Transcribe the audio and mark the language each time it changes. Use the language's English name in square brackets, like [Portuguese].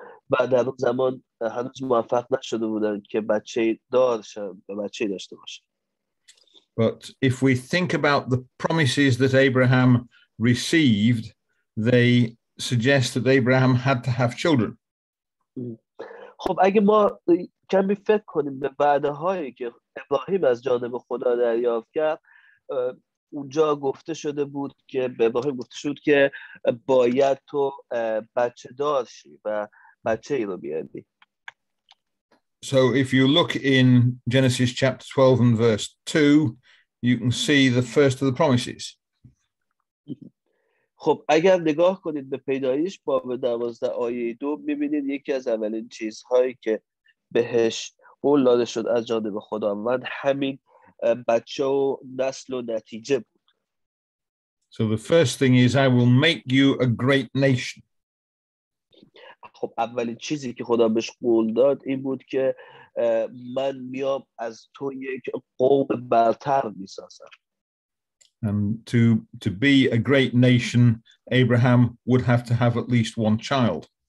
[Persian] بعد از اون زمان هنوز موفق نشده بودن که بچه دار شن و بچه داشته باشن. [English] But if we think about the promises that Abraham received, they suggest that Abraham had to have children. [Persian] خب اگه ما کمی فکر کنیم به وعده هایی که ابراهیم از جانب خدا دریافت کرد، اونجا گفته شده بود که به ابراهیم گفته شد که باید تو بچه دار شی و بچه ای رو بیاری. [English] So if you look in Genesis chapter 12 and verse 2, you can see the first of the promises. [Persian] خب اگر نگاه کنید به پیدایش باب 12 آیه 2 میبینید یکی از اولین چیزهایی که بهش قول داده شد از جانب خداوند همین بچه و نسل و نتیجه بود. [English] So the first thing is I will make you a great nation. [Persian] خب اولین چیزی که خدا بهش قول داد این بود که من میام از تو یک قوم برتر میسازم. [English] And to be a great nation, Abraham would have to have at least one child.